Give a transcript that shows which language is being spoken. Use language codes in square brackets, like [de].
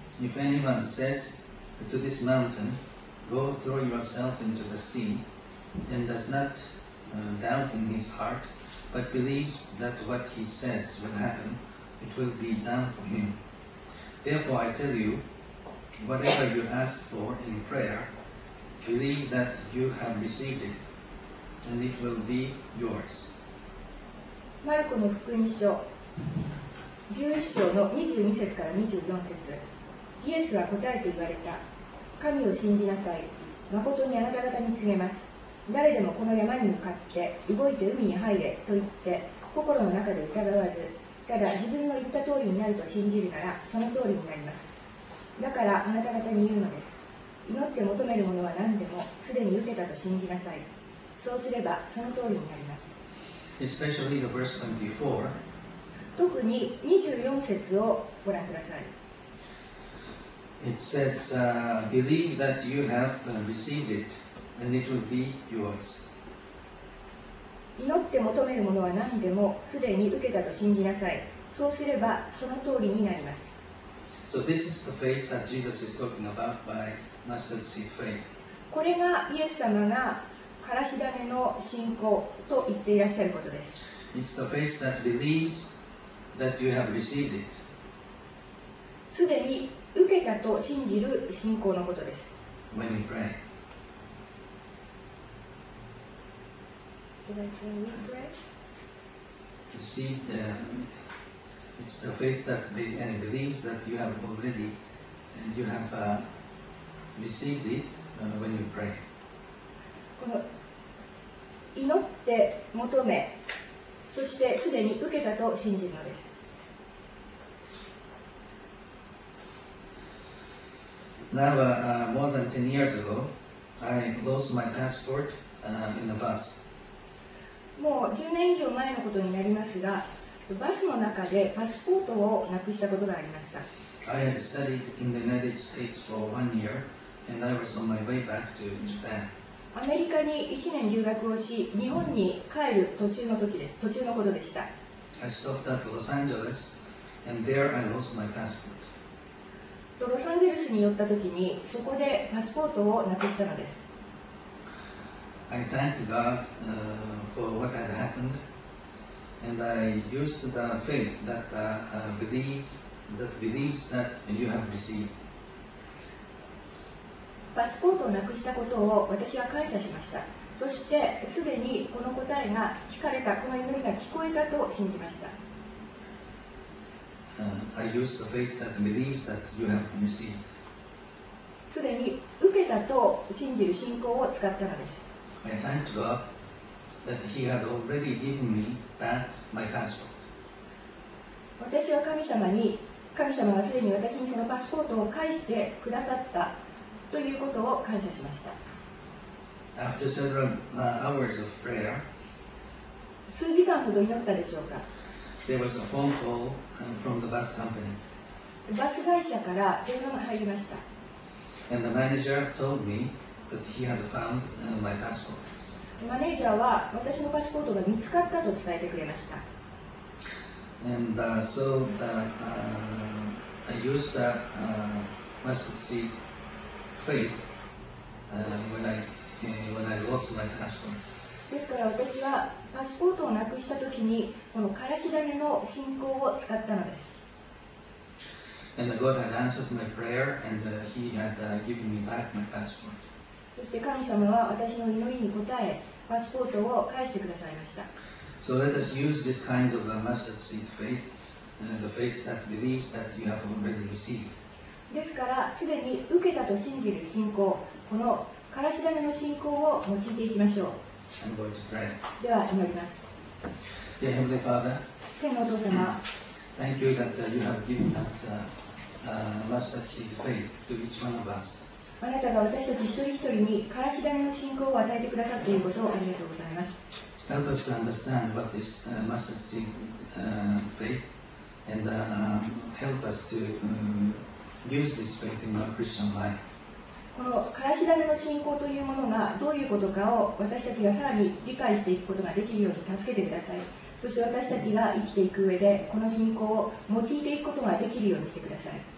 [en] If anyone says to this mountain, go throw yourself into the sea, and does not doubt in his heartBut believes that what he says will happen, it will be done for him. Therefore, I tell you, whatever you ask for in prayer, believe that you have received it, and it will be yours. [ja] マルコの福音書11章の22節から24節。イエスは答えて言われた。神を信じなさい。まことにあなた方に告げます。誰でもこの山に向かって動いて海に入れと言って心の中で疑わず、ただ自分の言った通りになると信じるならその通りになります。だからあなた方に言うのです、祈って求めるものは何でもすでに受けたと信じなさい。そうすればその通りになります。 [en] Especially the verse 24. [ja] 特に24節をご覧ください。 [en] It says, believe that you have received itAnd it will be yours. [ja] 祈って求めるものは何でもすでに受けたと信じなさい。そうすればその通りになります。 [en] So this is the faith that Jesus is talking about by mustard seed faith. [ja] これがイエス様がからし種の信仰と言っていらっしゃることです。 [en] It's the faith that believes that you have received it. [ja] すでに受けたと信じる信仰のことです。 [en] When you pray. Can we pray? You see, it's the faith that believes that you have already, and you have received it when you pray. [ja] この祈って求め、そしてすでに受けたと信じるのです。 [en] Now, more than 10 years ago, I lost my passport in the bus. [ja] もう10年以上前のことになりますが、バスの中でパスポートをなくしたことがありました。 [en] I had studied in the United States for one year, and I was on my way back to Japan. [ja] アメリカに1年留学をし、日本に帰る途中の時です。途中のことでした。 [en] I stopped at Los Angeles, and there I lost my passport. [ja] とロサンゼルスに寄った時に、そこでパスポートをなくしたのです。 [en] I thanked God for what had happened, and I used the faith that believes that you have received. [ja] パスポートをなくしたことを私は感謝しました。そしてすでにこの答えが聞かれた、この祈りが聞こえたと信じました。 [en] I used the faith that believes that you have received. [ja] すでに受けたと信じる信仰を使ったのです。 [en] I thanked God that He had already given me back my passport. [ja] 私は神様に、神様がすでに私にそのパスポートを返してくださったということを感謝しました。 [en] After several hours of prayer, [ja] 数時間ほど祈ったでしょうか。 [en] There was a phone call from the bus company. [ja] バス会社から電話が入りました。 [en] And the manager told me. That he had found my passport. [ja] マネージャーは私のパスポートが見つかったと伝えてくれました。 [en] And so I used the mustard seed faith when I lost my passport. [ja] ですから私はパスポートをなくしたときにこのからし種の信仰を使ったのです。 [en] And God had answered my prayer and He had given me back my passport. [ja] そして神様は私の祈りに応え、パスポートを返してくださいました。 [en] So let us use this kind of a mustard seed faith, the faith that believes that you have already received. [ja] ですから、すでに受けたと信じる信仰、このからし種の信仰を用いていきましょう。 [en] I'm going to pray. [ja] では始まります。 [en] Dear Heavenly Father, [ja] 天のお父様、 [en] Thank you that you have given us mustard seed faith to each one of us. [ja] あなたが私たち一人一人にからし種の信仰を与えてくださっていることをありがとうございます。 [en] Help us to understand what this mustard seed faith and help us to use this faith in our Christian life. [ja] このからし種の信仰というものがどういうことかを私たちがさらに理解していくことができるように助けてください。そして私たちが生きていく上でこの信仰を用いていくことができるようにしてください。